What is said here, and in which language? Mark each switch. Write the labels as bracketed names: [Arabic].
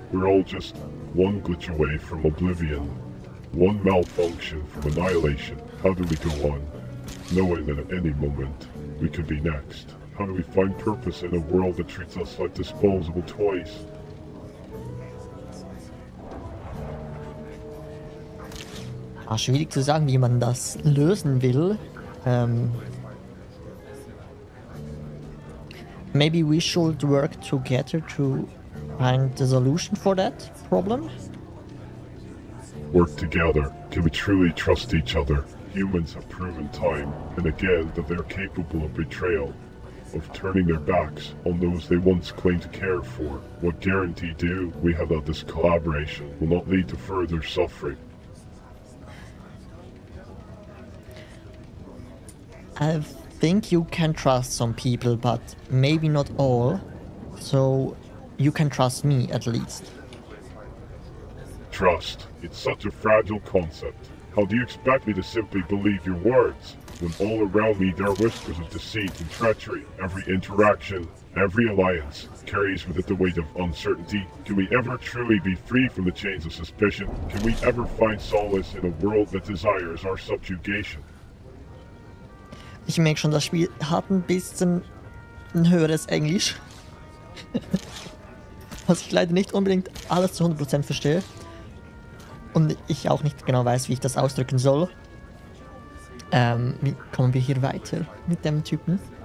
[English] We're all just one glitch away from oblivion. One malfunction from annihilation. How do we go on, knowing that at any moment, we could be next? How do we find purpose in a world that treats us like disposable toys? [German] Ah, schwierig zu sagen, wie man das lösen will. [English] Maybe we should work together to find the solution for that problem? Work together. Can we truly trust each other? Humans have proven time and again that they're capable of betrayal, of turning their backs on those they once claimed to care for. What guarantee do we have that this collaboration will not lead to further suffering? I think you can trust some people, but maybe not all, so you can trust me at least. Trust, it's such a fragile concept. How do you expect me to simply believe your words when all around me there are whispers of deceit and treachery? Every interaction, every alliance carries with it the weight of uncertainty. Can we ever truly be free from the chains of suspicion? Can we ever find solace in a world that desires our subjugation? [German] Ich merke schon, das Spiel hat ein bisschen ein höheres Englisch. Was ich leider nicht unbedingt alles zu 100% verstehe. Und ich auch nicht genau weiß, wie ich das ausdrücken soll. Wie kommen wir hier weiter mit dem Typen?